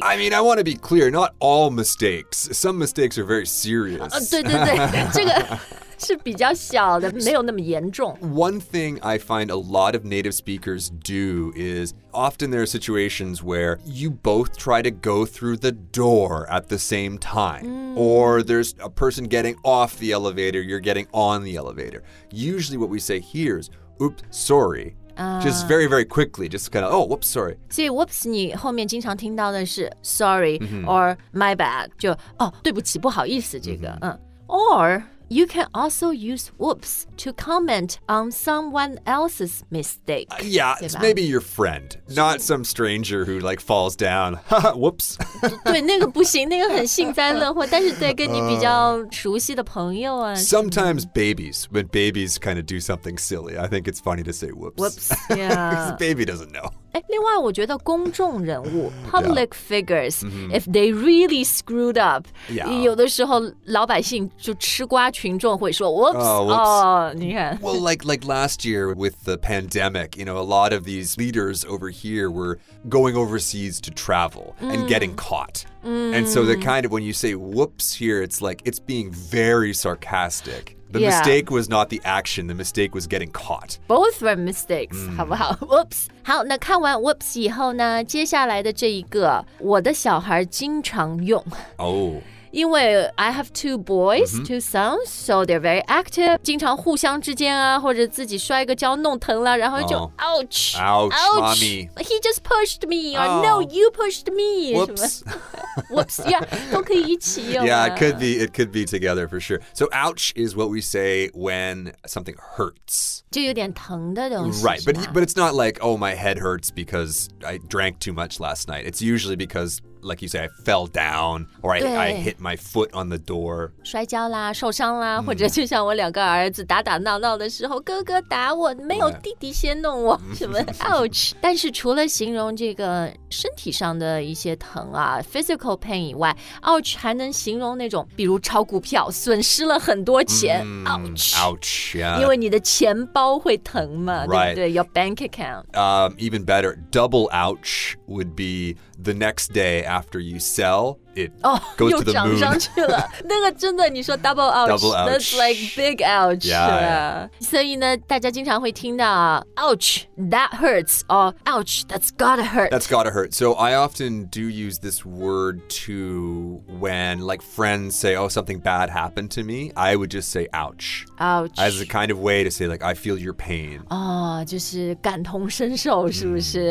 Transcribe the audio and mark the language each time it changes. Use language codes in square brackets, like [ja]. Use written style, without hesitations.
[en] I mean, I want to be clear, not all mistakes. Some mistakes are very serious. [zh] 对对对，这个是比较小的，没有那么严重。 [en] One thing I find a lot of native speakers do is often there are situations where you both try to go through the door at the same time. Or there's a person getting off the elevator, you're getting on the elevator. Usually what we say here is, oops, sorry. Just very, very quickly, just kind of, oh, whoops, sorry. [zh] 所以 whoops 你后面经常听到的是 [en] sorry or my bad, [zh] 就哦对不起不好意思这个。 [en] Or you can also use whoops to comment on someone else's mistake. Yeah, it's maybe your friend, not some stranger who like falls down. Whoops. [zh] 对那个不行那个很幸灾乐祸但是对跟你比较熟悉的朋友啊。 [en] Sometimes babies, when babies kind of do something silly, I think it's funny to say whoops. Whoops, yeah. Because baby doesn't know. [zh] 另外我觉得公众人物 [en] public figures if they really screwed up [zh] 有的时候老百姓就吃瓜群众会说 whoops 你看 [en] well like last year with the pandemic you know a lot of these leaders over here were going overseas to travel and getting caughtAnd so the kind of, when you say whoops here, it's like, it's being very sarcastic. The mistake was not the action, the mistake was getting caught. Both were mistakes, [zh] 好不好?Whoops. 好,那看完 whoops 以后呢,接下来的这一个,我的小孩经常用。 Oh. 因为 [en] I have two boys,、mm-hmm. two sons, so they're very active. [zh] 经常互相之间啊，或者自己摔个跤弄疼了，然后就、oh. [en] ouch, ouch, ouch, mommy. He just pushed me, or、oh. no, you pushed me. Whoops. Whoops, yeah, [zh] 都可以一起用、啊。 [en] Yeah, it could be together for sure. So ouch is what we say when something hurts. [zh] 就有点疼的东西。 [en] Right, but it's not like, oh, my head hurts because I drank too much last night. It's usually becauselike you say, I fell down, or I hit my foot on the door. [zh] 摔跤啦，受伤啦，或者就像我两个儿子打打闹闹的时候，哥哥打我，没有弟弟先弄我，什么ouch。但是除了形容这个身体上的一些疼啊， [en] physical pain [zh] 以外，ouch还能形容那种，比如炒股票，损失了很多钱 [en] ，ouch，ouch， [zh] 因为你的钱包会疼嘛，对不对？ [en] Your bank account. Even better, double ouch would be the next day. After you sell, it goes to the moon. [zh] 又涨上去了。那个真的，你说 double ouch, [en] double ouch. That's like big ouch. Yeah, yeah. [zh] 所以呢，大家经常会听到 [en] ouch, that hurts, or ouch, that's gotta hurt. That's gotta hurt. So I often do use this word too when like friends say, oh, something bad happened to me. I would just say ouch. Ouch. As a kind of way to say like, I feel your pain. [zh] Oh, 就是感同身受是不是、